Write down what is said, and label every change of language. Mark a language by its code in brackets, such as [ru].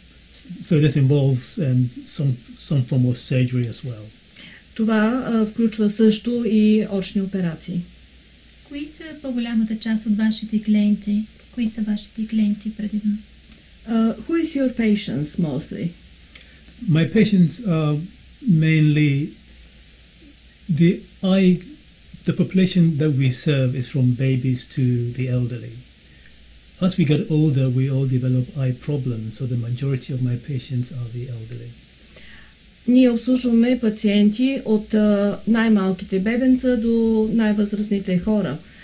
[en] So this involves some form of surgery as well. [bg] Това включва също и очни операции. Кои са по-голямата част от вашите клиенти? Кои са вашите клиенти предимно? [en] Who is your patients mostly? My patients are mainly the population that we serve is from babies to the elderly. As we get older, we all develop eye problems, so the majority of my patients are the elderly. [bg] Ние обслужваме пациенти от най-малките бебенца до най-възрастните хора.